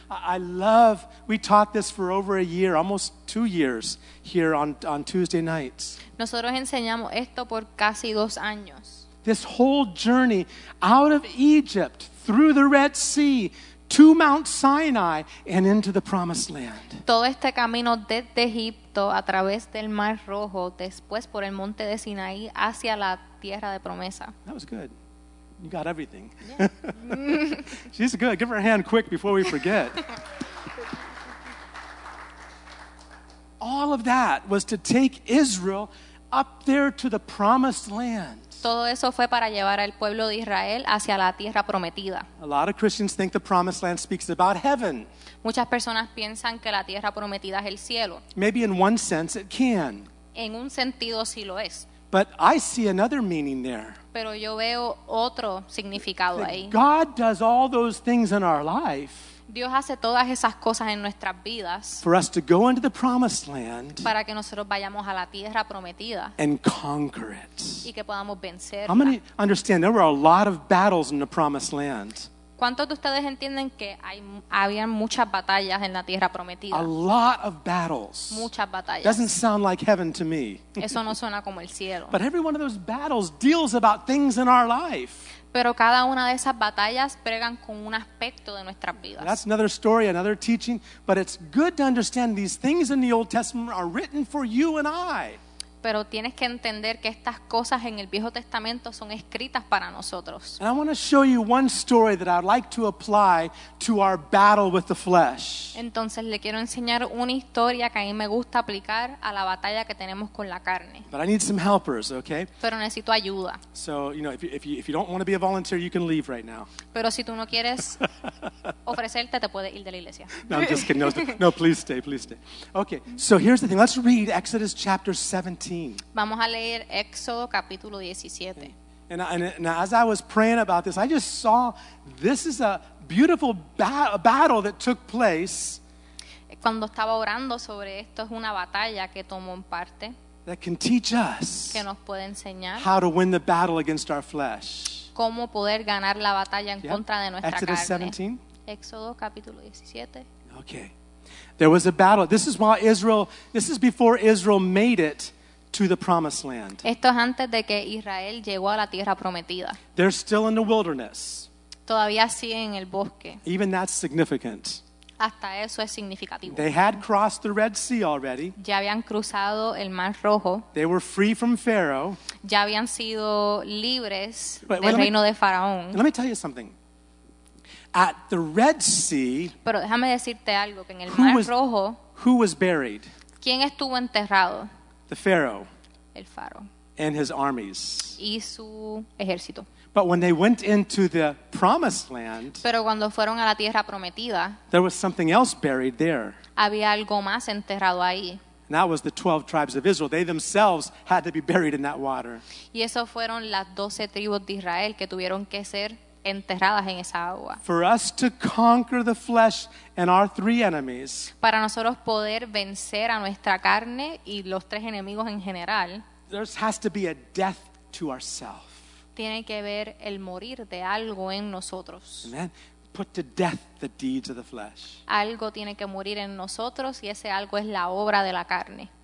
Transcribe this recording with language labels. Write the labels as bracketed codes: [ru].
[en] I love, we taught this for over a year, almost 2 years here on Tuesday nights. [es] Nosotros enseñamos esto por casi 2 años. [en] This whole journey out of Egypt through the Red Sea to Mount Sinai and into the Promised Land. [es] Todo este camino desde Egipto a través del Mar Rojo, después por el Monte de Sinaí hacia la Tierra de Promesa. [en] That was good. You got everything. Yeah. She's good. Give her a hand quick before we forget. All of that was to take Israel up there to the Promised Land. [es] Todo eso fue para llevar al pueblo de Israel hacia la tierra prometida. [en] A lot of Christians think the Promised Land speaks about heaven. [es] Muchas personas piensan que la tierra prometida es el cielo. [en] Maybe in one sense it can. [es] En un sentido sí lo es. [en] But I see another meaning there. [es] Pero yo veo otro significado ahí. [en] God does all those things in our life. [es] Dios hace todas esas cosas en nuestras vidas. [en] For us to go into the promised land. [es] Para que nosotros vayamos a la tierra prometida. [en] And conquer it. [es] Y que podamos vencerla. [en] How many understand there were a lot of battles in the promised land? [es] ¿Cuántos de ustedes entienden que había muchas batallas en la tierra prometida? [en] A lot of battles. [es] Muchas batallas. [en] Doesn't sound like heaven to me. [es] Eso no suena como el cielo. [en] But every one of those battles deals about things in our life. [es] Pero cada una de esas batallas pregan con un aspecto de nuestras vidas. [en] That's another story, another teaching, but it's good to understand these things in the Old Testament are written for you and I. [es] Pero tienes que entender que estas cosas en el Viejo Testamento son escritas para nosotros. [en] And I want to show you one story that I'd like to apply to our battle with the flesh. [es] Entonces le quiero enseñar una historia que a mí me gusta aplicar a la batalla que tenemos con la carne. [en] But I need some helpers, okay? [es] Pero necesito ayuda. [en] So, you know, if you don't want to be a volunteer, you can leave right now. [es] Pero si tú no quieres ofrecerte, te puedes ir de la iglesia. [en] No, I'm just kidding. No, please stay, please stay. Okay, so here's the thing. Let's read Exodus chapter 17. [es] Vamos a leer Éxodo capítulo 17. [en] And as I was praying about this, I just saw this is a beautiful battle that took place. [es] Cuando estaba orando sobre esto, es una batalla que tomó en parte. [en] That can teach us [es] que nos puede enseñar [en] how to win the battle against our flesh. [es] Cómo poder ganar la batalla en contra de nuestra [en] Exodus [es] carne. [en] Exodus 17. [es] Éxodo capítulo 17. [en] Okay. There was a battle. This is before Israel made it to the promised land. [es] Esto es antes de que Israel llegó a la tierra prometida. [en] They're still in the wilderness. [es] Todavía siguen en el bosque. [en] Even that's significant. [es] Hasta eso es significativo. [en] They had crossed the Red Sea already. [es] Ya habían cruzado el Mar Rojo. [en] They were free from Pharaoh. [es] Ya habían sido libres del reino de Faraón. [en] Let me tell you something. At the Red Sea, [es] pero déjame decirte algo, que en el Mar Rojo, [en] who was buried? [es] ¿Quién estuvo enterrado? [en] The Pharaoh, [es] el faro, [en] and his armies, [es] y su ejército. [en] But when they went into the Promised Land, [es] pero cuando fueron a la tierra prometida, [en] there was something else buried there. [es] Había algo más enterrado ahí. [en] And that was the 12 tribes of Israel. They themselves had to be buried in that water. [es] Y eso fueron las 12 tribus de Israel que tuvieron que ser enterradas en esa agua. [en] For us to conquer the flesh and our three enemies, [es] para nosotros poder vencer a nuestra carne y los tres enemigos en general, [en] there has to be a death to ourselves. [es] Tiene que ver el morir de algo en nosotros. [en] Amen. Put to death the deeds of the flesh. [es] Algo tiene que morir en nosotros y ese algo es la obra de la carne.